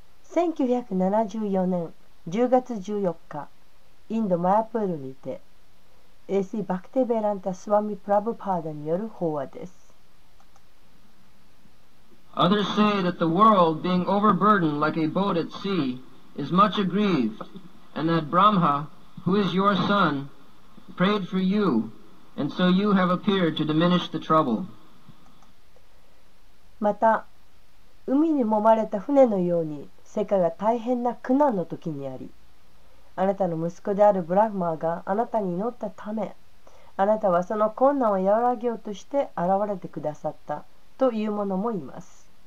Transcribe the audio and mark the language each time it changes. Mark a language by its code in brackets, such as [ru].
[ja] 1974年10月14日、インドマヤプールにて、A.C. バクテベランタ・スワミ・プラブパーダによる法話です。 [en] Others say that the world, being overburdened like a boat at sea, is much aggrieved, and that Brahma, who is your son, prayed for you, and so you have appeared to diminish the trouble. [ja] また、海に揉まれた船のように、世界が大変な苦難の時にあり、あなたの息子であるブラフマーがあなたに祈ったため、あなたはその困難を和らげようとして現れてくださったというものもいます。